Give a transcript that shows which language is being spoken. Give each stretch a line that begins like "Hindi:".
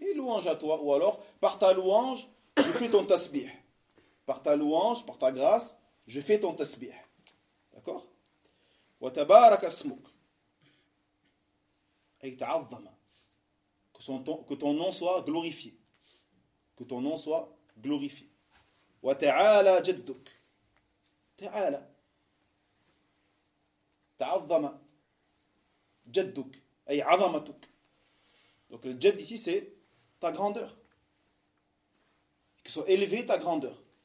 French: Et louange à toi, ou alors, par ta louange, je fais ton tasbih. Par ta louange, par ta grâce, je fais ton tasbih. D'accord ?
Arabic: وتبارك اسمك اي تعظم
French: que ton nom soit glorifié, que ton nom soit glorifié.
Arabic: وتعالى جدك تعالى تعظم جدك اي عظمتك.
French: Donc le jad ici c'est ta grandeur, que soit élevée ta grandeur.